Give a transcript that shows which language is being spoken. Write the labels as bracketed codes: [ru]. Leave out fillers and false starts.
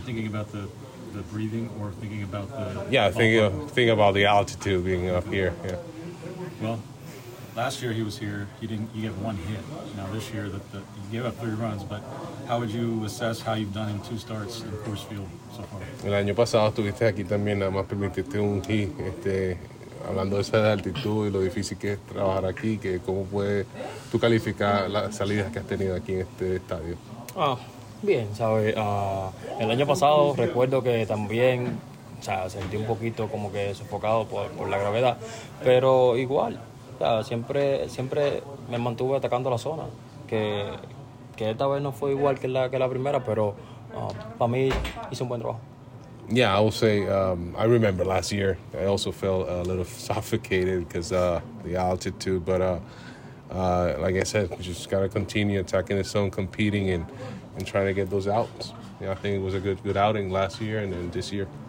[en] Thinking about the breathing or thinking about the. Yeah, thinking about the altitude being up here. Yeah. Well, last year he was here. You get 1 hit. Now this year you gave up 3 runs. But how would you assess how you've done in 2 starts in Coors Field so far? [es] El año pasado estuviste aquí también, nada más permitiste 1 hit. Hablando de esa altitud y lo difícil que es trabajar aquí, que cómo puedes tú calificar las salidas que has tenido aquí en este estadio. Bien, sabes, el año pasado recuerdo que también, o sea, sentí un poquito como que sofocado por la gravedad, pero igual, o sea, siempre me mantuve atacando la zona, que esta vez no fue igual que la primera, pero para mí hice un buen trabajo. [en] Yeah, I will say I remember last year. I also felt a little suffocated because the altitude. But like I said, we just got to continue attacking the zone, competing, and trying to get those outs. Yeah, I think it was a good outing last year and then this year.